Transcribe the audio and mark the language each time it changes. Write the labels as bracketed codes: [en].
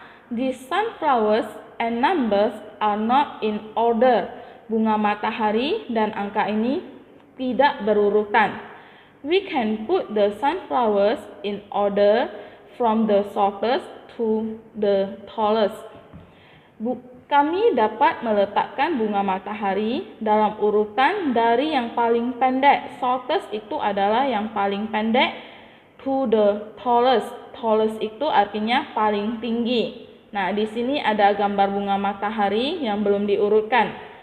[en] The sunflowers and numbers are not in order. [id] Bunga matahari dan angka ini tidak berurutan. [en] We can put the sunflowers in order from the shortest to the tallest. [id] Kami dapat meletakkan bunga matahari dalam urutan dari yang paling pendek. Shortest itu adalah yang paling pendek. [en] To the tallest. [id] Tallest itu artinya paling tinggi. Nah, di sini ada gambar bunga matahari yang belum diurutkan.